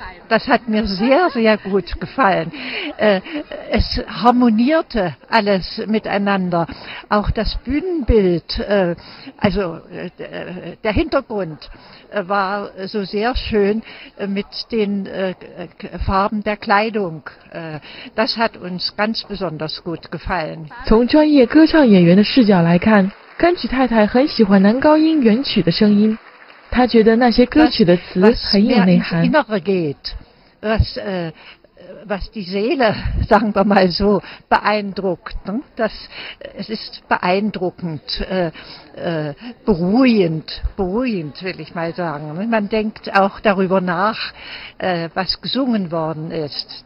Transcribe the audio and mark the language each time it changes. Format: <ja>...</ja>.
<de>Das hat mir sehr, sehr gut gefallen. Es harmonierte alles miteinander. Auch das Bühnenbild, also der Hintergrund war so sehr schön mit den Farben der Kleidung. Das hat uns ganz besonders gut gefallen.</de> <zh>从专业歌唱演员的视角来看，甘曲太太很喜欢男高音原曲的声音。他觉得那些歌曲的词很有内涵。</zh> <de>Was mehr ins Innere geht, was, was die Seele, sagen wir mal so, beeindruckt. Das, es ist beeindruckend, beruhigend, beruhigend will ich mal sagen. Man denkt auch darüber nach, was gesungen worden ist.</de>